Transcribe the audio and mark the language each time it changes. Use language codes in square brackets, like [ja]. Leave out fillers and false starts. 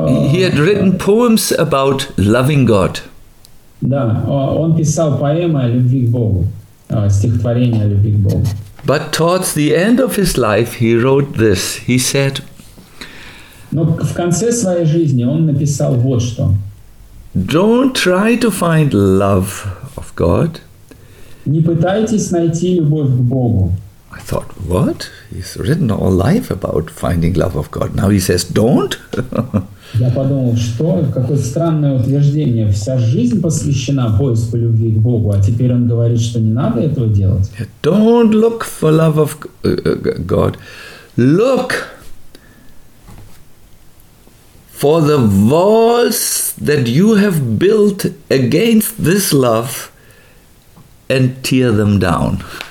[en] He had written poems about loving God. [ru] Да, он писал поэмы о любви к Богу, стихотворения о любви к Богу. [en] But towards the end of his life, he wrote this. He said, [ru] но в конце своей жизни он написал вот что. [en] Don't try to find love of God. [ru] Не пытайтесь найти любовь к Богу. [en] I thought, what? He's written all life about finding love of God. Now he says, don't? [ru] Я подумал, что? Какое странное утверждение. Вся жизнь посвящена поиску любви к Богу, а теперь он говорит, что не надо этого делать. [en] Don't look for love of God. Look for the walls that you have built against this love and tear them down.